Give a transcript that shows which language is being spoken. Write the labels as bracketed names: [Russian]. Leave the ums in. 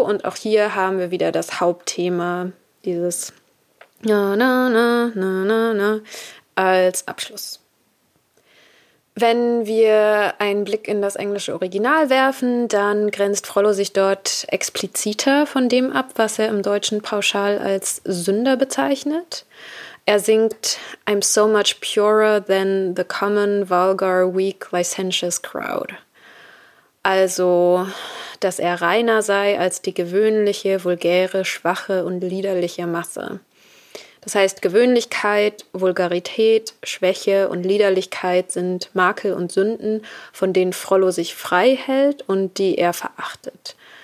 [German] Und auch hier haben wir wieder das Hauptthema, dieses na, na, na, na, na, na, als Abschluss. Wenn wir einen Blick in das englische Original werfen, dann grenzt Frollo sich dort expliziter von dem ab, was er im Deutschen pauschal als Sünder bezeichnet. Er singt [English] I'm so much purer than the common, vulgar, weak, licentious crowd. [German] Also, dass er reiner sei als die gewöhnliche, vulgäre, schwache und liederliche Masse. Das heißt, Gewöhnlichkeit, Vulgarität, Schwäche und Liederlichkeit sind Makel und Sünden, von denen Frollo sich frei hält und die er verachtet.